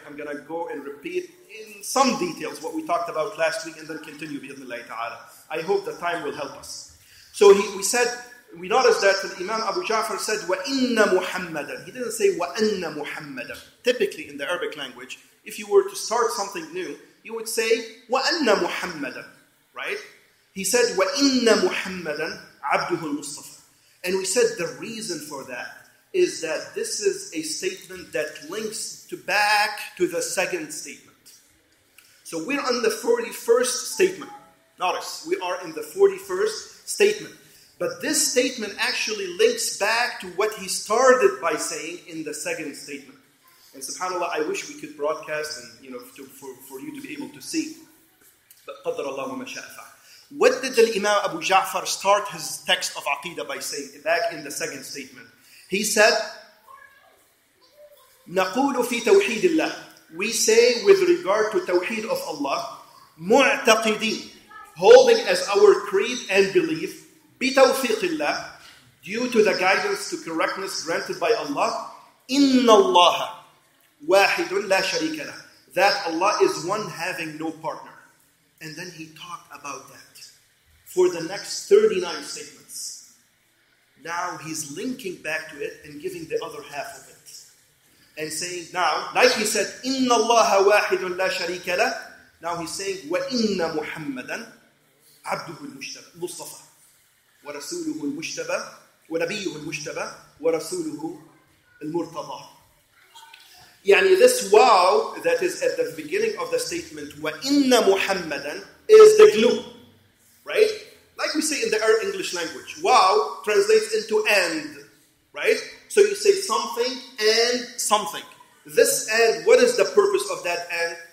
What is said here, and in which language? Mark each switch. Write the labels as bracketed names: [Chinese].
[English] I'm going to go and repeat in some details what we talked about last week and then continue, bi-idhnillahi ta'ala. I hope the time will help us. So we noticed that Imam Abu Ja'far said, [Arabic] وَإِنَّ مُحَمَّدًا. [English] He didn't say, [Arabic] وَأَنَّ مُحَمَّدًا. [English] Typically, in the Arabic language, if you were to start something new, you would say, وَأَنَّ مُحَمَّدًا, right? He said, [Arabic] وَإِنَّ مُحَمَّدًا عَبْدُهُ الْمُصْطَفَى. [English] And we said the reason for that is that this is a statement that links to back to the second statement. So we're on the 41st statement. Notice, we are in the 41st statement. But this statement actually links back to what he started by saying in the second statement. And subhanAllah, I wish we could broadcast and for you to be able to see. But [Arabic] qadr Allah wa masha'afa. [English] What did the Imam Abu Ja'far start his text of Aqeedah by saying back in the second statement? He said, [Arabic] نَقُولُ فِي تَوْحِيدِ اللَّهِ. [English] We say with regard to tawheed of Allah, [Arabic] مُعْتَقِدِينَ, [English] holding as our creed and belief, [Arabic] بِتَوْفِيقِ اللَّهِ, [English] due to the guidance to correctness granted by Allah, [Arabic] إِنَّ اللَّهَ وَاحِدٌ لَا شَرِيكَ لَهُ, [English] that Allah is one having no partner. And then he talked about that for the next 39 statements. Now he's linking back to it and giving the other half of it. And saying now, like he said, [Arabic] إِنَّ اللَّهَ وَاحِدٌ لَا شَرِيكَ لَهُ. [English] Now he's saying, [Arabic] وَإِنَّ مُحَمَّدًا عَبْدُهُ الْمُصْطَفَى وَرَسُولُهُ الْمُشْتَبَى وَنَبِيُّهُ الْمُشْتَبَى وَرَسُولُهُ الْمُرْتَضَى. [English] يعني this wow that is at the beginning of the statement, [Arabic] وَإِنَّ مُحَمَّدًا, [English] is the glue. Right? Like we say in the Arab English language, wow translates into and, right? So you say something and something. This and, what is the purpose of that and?